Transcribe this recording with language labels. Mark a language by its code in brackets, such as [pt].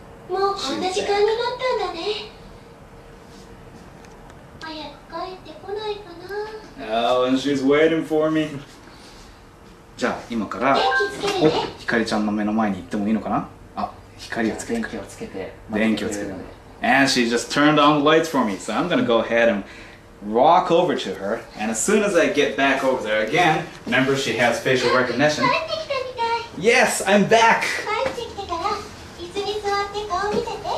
[ja] もうこんな時間になったんだね。早く帰ってこないかな。 [en] Oh, and she's waiting for me. [ja] じゃあ今から、お、ひかりちゃんの目の前に行ってもいいのかな？あ、ひかりをつけて、電気をつけて、電気をつけて。 [en] And she just turned on the lights for me, so I'm gonna go ahead and walk over to her. And as soon as I get back over there again, remember she has facial recognition. [ja] 帰ってきたみたい。 [en] Yes, I'm back. [ja] 帰ってきたから、椅子に座って顔見せて。